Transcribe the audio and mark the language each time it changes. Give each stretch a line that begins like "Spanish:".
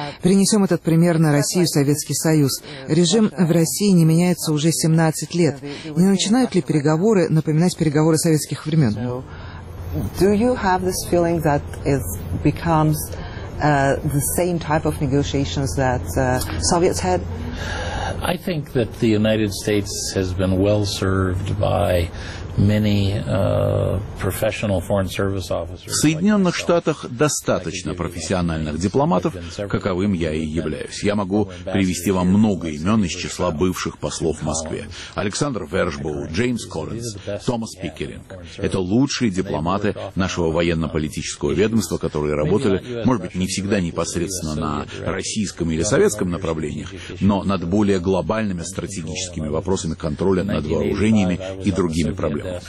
Russian: Принесем этот пример на Россию, Советский Союз. Режим в России не меняется уже 17 лет. Не начинают ли переговоры напоминать переговоры советских времен?
English: Do you have this feeling that it becomes the same type of negotiations that Soviets had? I think that the United States has been well served by many professional foreign service officers.
Russian: В Соединенных Штатах достаточно профессиональных дипломатов, каковым я и являюсь. Я могу привести вам много имен из числа бывших послов в Москве. Александр Вершбоу, Джеймс Коллинз, Томас Пикеринг. Это лучшие дипломаты нашего военно-политического ведомства, которые работали, может быть, не всегда непосредственно на российском или советском направлениях, но над более глобальными стратегическими вопросами контроля над вооружениями и другими проблемами.